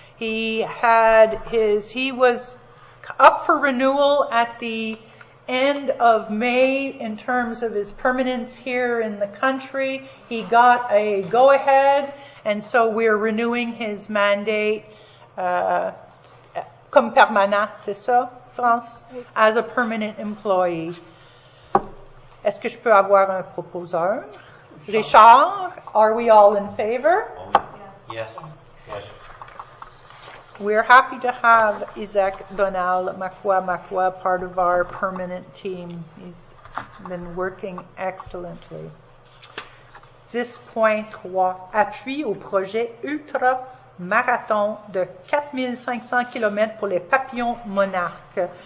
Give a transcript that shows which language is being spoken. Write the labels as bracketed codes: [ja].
[en] He was up for renewal at the end of May in terms of his permanence here in the country. He got a go-ahead, and so we're renewing his mandate [fr] comme permanent, c'est ça, [en] France? [fr] Oui. [en] As a permanent employee. [fr] Est-ce que je peux avoir un proposeur? [en] Richard, are we all in favor? Yes. We're happy to have Isaac Donald Makua part of our permanent team. He's been working excellently. [fr] 10.3, appui au projet Ultra Marathon de 4500 km pour les Papillons Monarques.